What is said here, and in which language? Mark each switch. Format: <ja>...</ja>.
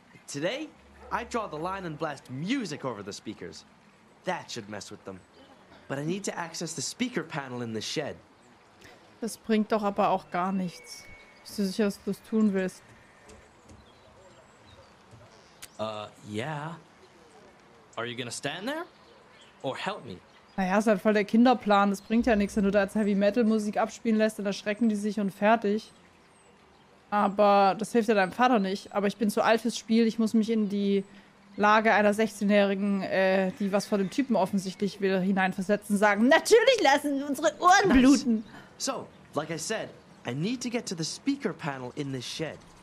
<en>Today, I draw the line and blast music over the speakers. That should mess with them. But I need to access the speaker panel in the shed.</en> <de>Das bringt doch aber auch gar nichts. Bist du sicher, dass du es tun willst?</de> <en>Yeah. Are you gonna stand there? Or help me?</en> <de>Naja, ist halt voll der Kinderplan. Das bringt ja nichts, wenn du da jetzt Heavy Metal Musik abspielen lässt, dann erschrecken die sich und fertig. Aber das hilft ja deinem Vater nicht. Aber ich bin zu alt fürs Spiel. Ich muss mich in die Lage einer 16-Jährigen, die was von dem Typen offensichtlich will, hineinversetzen, sagen, natürlich lassen unsere Ohren bluten.</de> <en>So, like I said, I need to get to the speaker panel in this shed.</en>